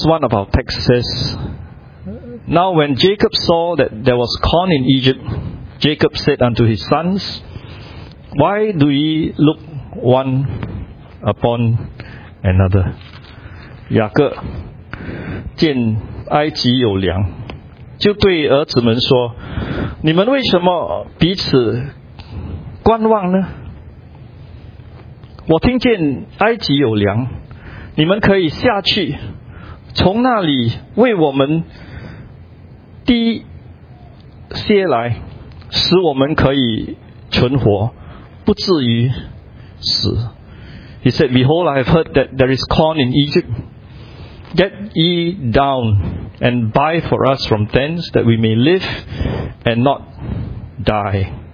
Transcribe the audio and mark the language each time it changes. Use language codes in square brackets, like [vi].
[en] Verse 1 of our text says, "Now when Jacob saw that there was corn in Egypt, Jacob said unto his sons, Why do ye look one upon another?" [zh] 雅各见埃及有粮，就对儿子们说，你们为什么彼此观望呢？我听见埃及有粮，你们可以下去，从那里为我们滴些来，使我们可以存活，不至于死。 [en] He said, Behold, I have heard that there is corn in Egypt. Get ye down and buy for us from thence, that we may live and not die.